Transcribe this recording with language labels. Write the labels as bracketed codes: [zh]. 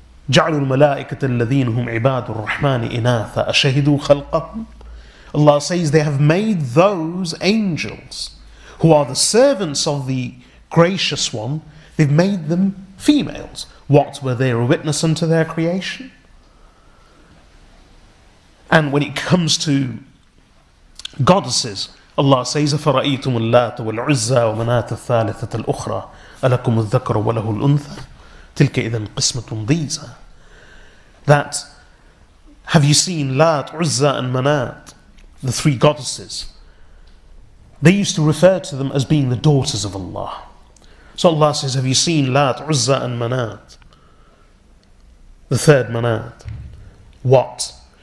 [ar] جعلوا الملائكة الذين هم عباد الرحمن إناثا أشهدوا خلقهم. [en] Allah says they have made those angels who are the servants of the gracious one, they've made them females. What, were they a witness unto their creation? And when it comes to goddesses, Allah says [ar] أفرأيتم اللات والعزى ومناة الثالثة الأخرى ألكم الذكر وله الأنثى تلك إذن قسمة ضيزى. [en] That, have you seen Lat, Uzza and Manat, the three goddesses? They used to refer to them as being the daughters of Allah. So Allah says, have you seen Lat, Uzza and Manat, the third Manat? What?